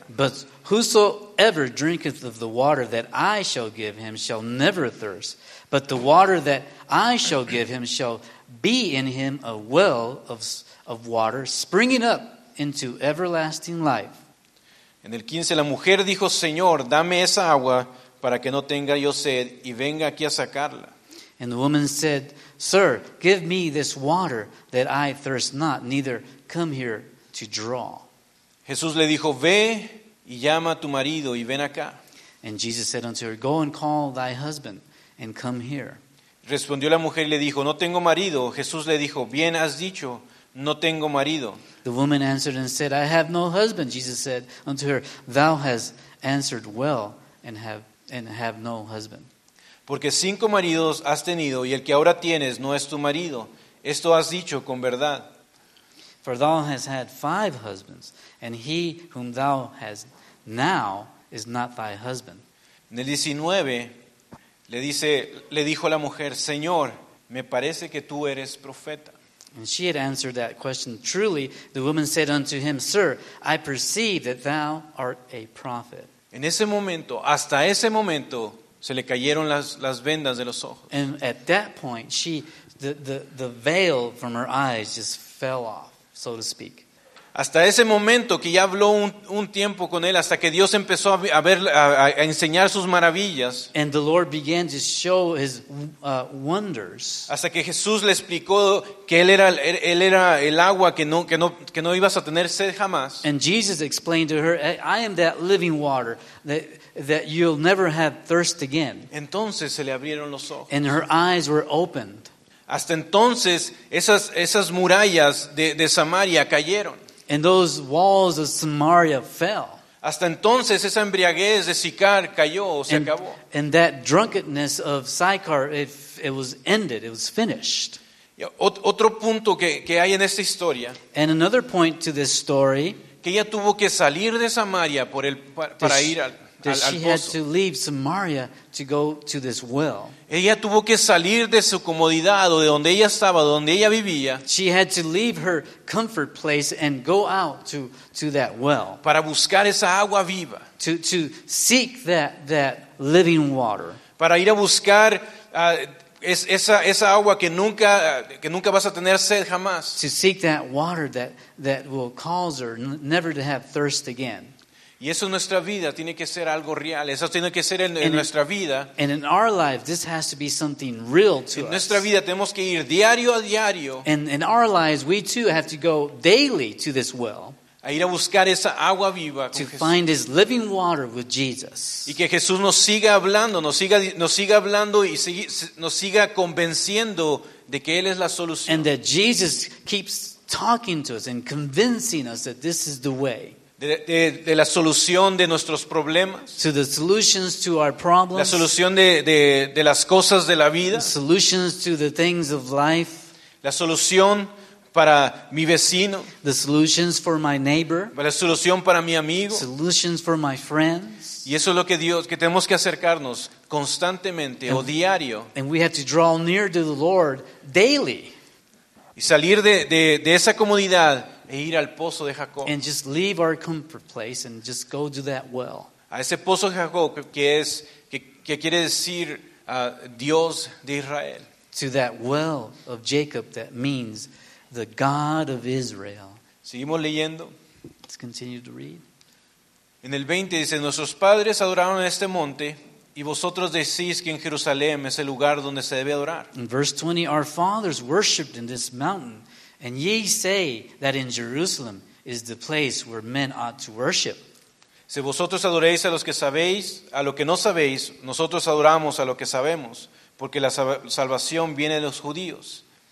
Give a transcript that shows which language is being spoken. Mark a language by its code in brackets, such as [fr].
[en] But whosoever drinketh of the water that I shall give him shall never thirst, but the water that I shall give him shall be in him a well of water springing up into everlasting life. [es] En el 15, la mujer dijo, Señor, dame esa agua para que no tenga yo sed y venga aquí a sacarla. [en] And the woman said, Sir, give me this water that I thirst not, neither come here to draw. [es] Jesús le dijo, ve y llama a tu marido y ven acá. [en] And Jesus said unto her, go and call thy husband and come here. [es] Respondió la mujer y le dijo, no tengo marido. Jesús le dijo, bien has dicho, no tengo marido. [en] The woman answered and said, I have no husband. Jesus said unto her, thou hast answered well and have no husband. [es] Porque cinco maridos has tenido, y el que ahora tienes no es tu marido. Esto has dicho con verdad. [en] For thou hast had five husbands, and he whom thou hast now is not thy husband. [es] En el 19, le dijo la mujer, Señor, me parece que tú eres profeta. [en] And she had answered that question truly. The woman said unto him, Sir, I perceive that thou art a prophet. [es] En ese momento, hasta ese momento, se le cayeron las vendas de los ojos. [en] And at that point, the veil from her eyes just fell off, so to speak. [es] Hasta ese momento que ya habló un tiempo con él, hasta que Dios empezó a enseñar sus maravillas. [en] And the Lord began to show his wonders. [es] Hasta que Jesús le explicó que él era el agua que no ibas a tener sed jamás. [en] And Jesus explained to her, I am that living water that you'll never have thirst again. [es] Entonces se le abrieron los ojos. [en] And her eyes were opened. [es] Hasta entonces esas murallas de Samaria cayeron. [en] And those walls of Samaria fell. [es] Hasta entonces esa embriaguez de Sicar cayó, se acabó. [en] And that drunkenness of Sicar, it was ended, it was finished. [es] Otro punto que hay en esta historia. [en] And another point to this story. [es] Que ella tuvo que salir de Samaria para ir al pozo. [en] That she had to leave Samaria to go to this well. [es] Ella tuvo que salir de su comodidad o de donde ella estaba, donde ella vivía. [en] She had to leave her comfort place and go out to that well. [es] Para buscar esa agua viva. [en] To seek that living water. [es] Para ir a buscar esa agua que nunca vas a tener sed jamás. [en] To seek that water that will cause her never to have thirst again. [es] Y eso en nuestra vida tiene que ser algo real. Eso tiene que ser en nuestra vida. [en] And in our life, this has to be something real to us. [es] En nuestra vida tenemos que ir diario a diario. [en] And in our lives, we too have to go daily to this well. [es] A ir a buscar esa agua viva con [en] Jesús. To find His living water with Jesus. [es] Y que Jesús nos siga hablando, nos siga hablando y nos siga convenciendo de que Él es la solución. [en] And that Jesus keeps talking to us and convincing us that this is the way. [es] De la solución de nuestros problemas. [en] To the solutions to our problems. [es] La solución de las cosas de la vida. [en] The solutions to the things of life. [es] La solución para mi vecino. [en] The solutions for my neighbor. [es] La solución para mi amigo. [en] Solutions for my friends. [es] Y eso es lo que Dios, que tenemos que acercarnos constantemente o diario. [en] And we have to draw near to the Lord daily. [es] Y salir de esa comodidad e ir al pozo de Jacob. [en] And just leave our comfort place and just go to that well. [es] A ese pozo de Jacob que quiere decir Dios de Israel. [en] To that well of Jacob that means the God of Israel. [es] Seguimos leyendo. [en] Let's continue to read. [es] En el 20 dice, nuestros padres adoraron en este monte y vosotros decís que en Jerusalén es el lugar donde se debe adorar. [en] In verse 20, our fathers worshipped in this mountain and ye say that in Jerusalem is the place where men ought to worship. [es] Si vosotros adoréis a los que sabéis, a lo que no sabéis, nosotros adoramos a lo que sabemos, porque la salvación viene de los judíos.